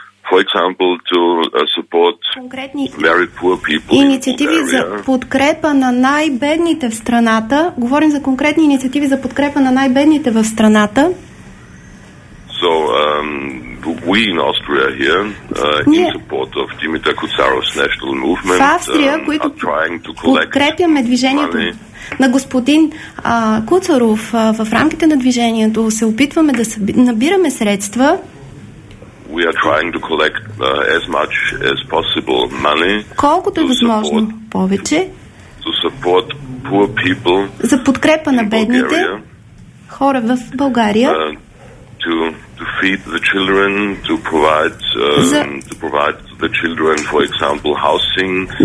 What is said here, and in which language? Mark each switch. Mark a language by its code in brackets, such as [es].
[en] For example, to support very poor people. [bg] Инициативи за подкрепа на най-бедните в страната. Говорим за конкретни инициативи за подкрепа на най-бедните в страната. [en] So we in Austria here in support of Dimitar Kucharov's national movement. [bg] В Австрия, които подкрепяме движението на господин Куцаров в рамките на движението, се опитваме да набираме средства. [en] We are trying to collect as much as possible money. [bg] Колкото е възможно повече. [en] To support poor people. [bg] За подкрепа на бедните хора в България. [en] To feed the children, to provide the children, for example, housing.